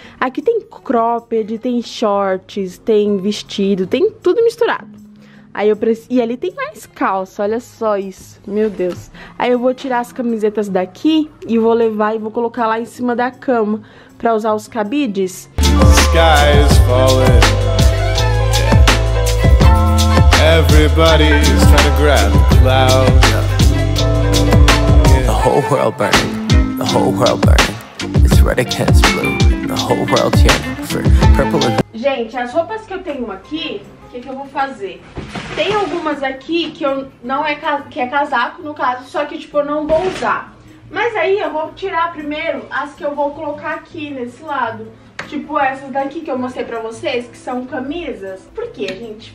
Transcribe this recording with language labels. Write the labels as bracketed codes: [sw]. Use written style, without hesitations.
[pt] Aqui tem cropped, tem shorts, tem vestido, tem tudo misturado. Aí eu preciso... E ali tem mais calça, olha só isso. Meu Deus. Aí eu vou tirar as camisetas daqui e vou levar e vou colocar lá em cima da cama pra usar os cabides. [en] Sky is falling. Everybody's trying to grab the cloud. The whole world burning, the whole world burning. It's red against blue, the whole world's yearning for purple and... [pt] Gente, as roupas que eu tenho aqui, o que, que eu vou fazer? Tem algumas aqui que eu não é, que é casaco, no caso, só que tipo, eu não vou usar. Mas aí eu vou tirar primeiro as que eu vou colocar aqui nesse lado. Tipo essas daqui que eu mostrei pra vocês, que são camisas. Por quê, gente?